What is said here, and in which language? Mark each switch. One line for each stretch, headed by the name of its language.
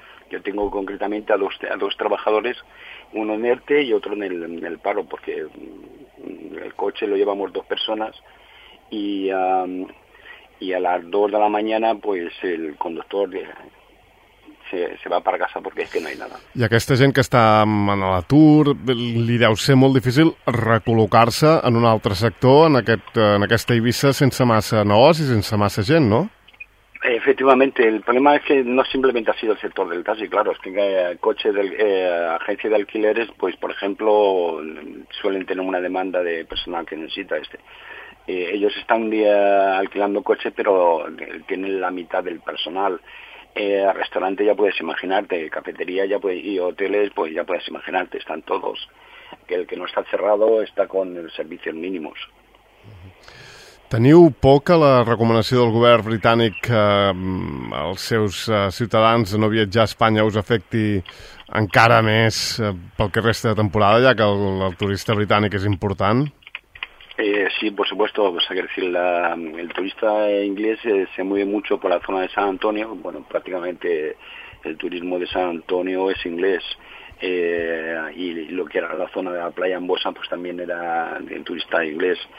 Spanish: Yo tengo concretamente a dos trabajadores, uno en ERTE y otro en el paro, porque el coche lo llevamos dos personas y a las 2 de la mañana pues el conductor se va para casa porque es que no hay nada.
Catalan: I aquesta gent que està en l'atur, li deu ser molt difícil recol·locar-se en un altre sector, en aquesta Eivissa, sense massa negoci, sense massa gent, no?
Spanish: Efectivamente, el problema es que no simplemente ha sido el sector del taxi, claro, es que coches de agencia de alquileres, pues por ejemplo, suelen tener una demanda de personal que necesita este. Ellos están un día alquilando coches, pero tienen la mitad del personal. Restaurante ya puedes imaginarte, cafetería ya puedes, y hoteles pues ya puedes imaginarte, están todos. El que no está cerrado está con servicios mínimos.
Catalan: Teniu por que la recomanació del govern britànic als seus ciutadans de no viatjar a Espanya us afecti encara més pel que resta de temporada, ja que el turista britànic és important?
Spanish: Sí, por supuesto, pues, quiero decir, el turista inglés se mueve mucho por la zona de San Antonio, bueno, prácticamente el turismo de San Antonio es inglés, y lo que era la zona de la playa en Bosa, pues también era de turista inglés.